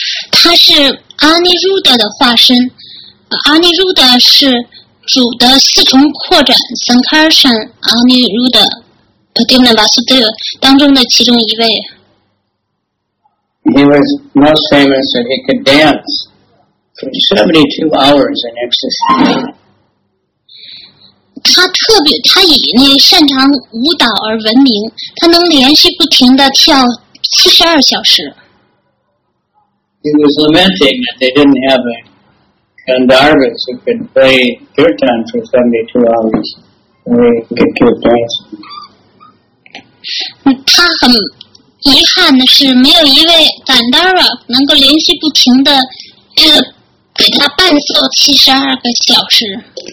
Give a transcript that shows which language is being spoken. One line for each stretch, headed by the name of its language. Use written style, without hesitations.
Chinese: 他是阿尼鲁达的化身，Aniruddha 是主的四重扩展 Sankarsan Aniruddha Padimna Vasudeva 当中的其中一位。
English: He was most famous that he could dance for 72 hours in ecstasy.
Chinese: 他以那擅长舞蹈而闻名，他能连续不停地跳72小时。
English: He was lamenting that they didn't have a Gandharvas who could play kirtan for 72 hours and he could keep dancing.
Chinese: 他很遗憾的是没有一位 Gandhara 能够连续不停地给他伴奏72个小时。